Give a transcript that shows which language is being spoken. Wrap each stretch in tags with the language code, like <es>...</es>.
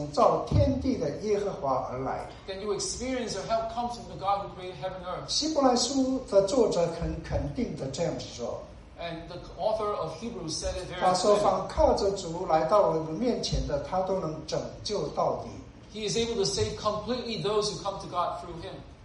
<zh>你就会经验到你的帮助是从造天地的耶和华而来。</zh> <en>Then you experience your help comes from the God who created heaven and earth.</en> <zh>希伯来书的作者肯定地这样说,</zh> <en>and the author of Hebrews said it very clearly.</en> <zh>他说凡靠着主来到我们面前的, 他都能拯救到底。</zh> <en>He is able to save completely those who come to God through him.</en>